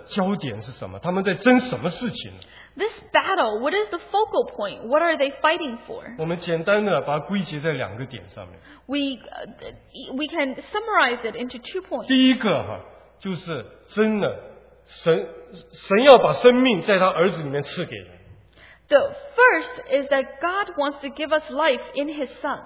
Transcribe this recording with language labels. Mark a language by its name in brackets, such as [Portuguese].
[Chinese] 好，弟兄姊妹们，那么这一个征战，它的焦点是什么？他们在争什么事情？ [English] This battle, what is the focal point? What are they fighting for? [Chinese] 我们简单的把它归结在两个点上面。 [English] We can summarize it into two points. [Chinese] 第一个哈，就是争了，神要把生命在他儿子里面赐给人。 [English] The first is that God wants to give us life in His Son.